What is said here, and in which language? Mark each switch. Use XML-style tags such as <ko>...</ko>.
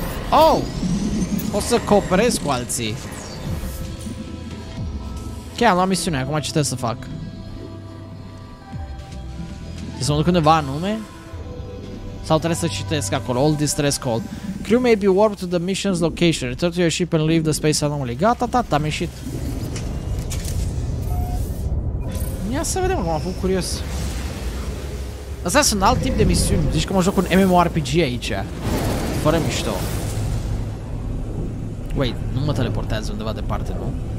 <ro>Oh! O să cooperez cu alții. Ok, am luat misiunea, acum ce trebuie să fac? Trebuie să mă duc undeva anume? Sau trebuie să citesc acolo,</ro> <en>all distress call. Crew may be warped to the mission's location. Return to your ship and leave the space anomaly.</en> <ro>Gata, tata, am ieșit. Ia să vedem, m-am făcut curios. Asta sunt alt tip de misiuni, zici că mă joc un MMORPG aici. Fără mișto. Wait, nu mă teleportează undeva departe, nu?</ro>